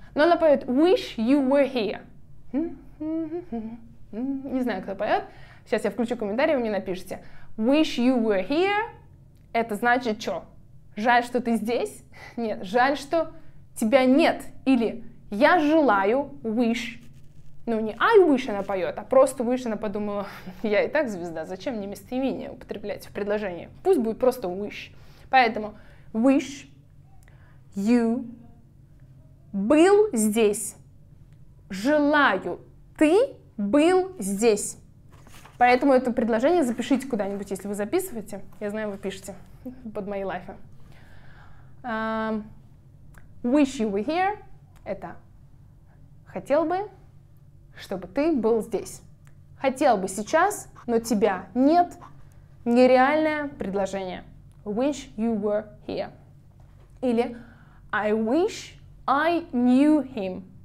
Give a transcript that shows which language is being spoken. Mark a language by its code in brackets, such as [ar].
[ru] Но она поет [en] Wish you were here. [ru] Не знаю, кто поет. Сейчас я включу комментарий, вы мне напишите. [en] Wish you were here. [ru] Это значит что? Жаль, что ты здесь? Нет, жаль, что тебя нет. Или я желаю wish. Ну не I wish она поет, а просто wish она подумала. Я и так звезда, зачем мне местоимение употреблять в предложении? Пусть будет просто wish. Поэтому [en] wish you [ru] был здесь. Желаю, ты был здесь. Поэтому это предложение запишите куда-нибудь, если вы записываете. Я знаю, вы пишете под мои лайфы. [en] Wish you were here. [ru] Это хотел бы, чтобы ты был здесь. Хотел бы сейчас, но тебя нет. Нереальное предложение. [en] Wish you were here. Или I wish I knew him.